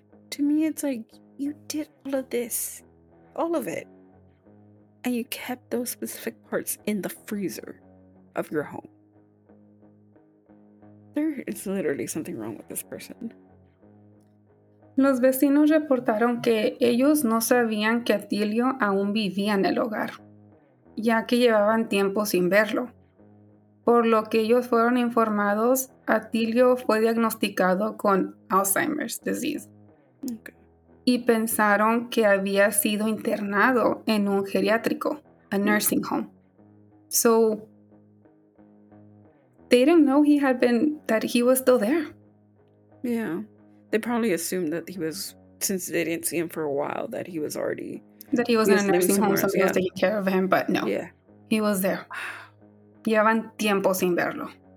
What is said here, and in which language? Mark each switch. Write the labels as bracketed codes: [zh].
[en] To me, it's like, you did all of this. All of it. And you kept those specific parts in the freezer of your home. There is literally something wrong with this person. [es] Los vecinos reportaron que ellos no sabían que Atilio aún vivía en el hogar, ya que llevaban tiempo sin verlo. Por lo que ellos fueron informados, Atilio fue diagnosticado con Alzheimer's disease. [en] Okay. [es] Y pensaron que había sido internado en un geriátrico, [en] a nursing home. So, they didn't know he had been, that he was still there. Yeah. They probably assumed that he was, since they didn't see him for a while, that he was already... That he was in a nursing home, somebody was taking care of him, but no. Yeah. He was there. [es] Llevaban tiempo sin verlo.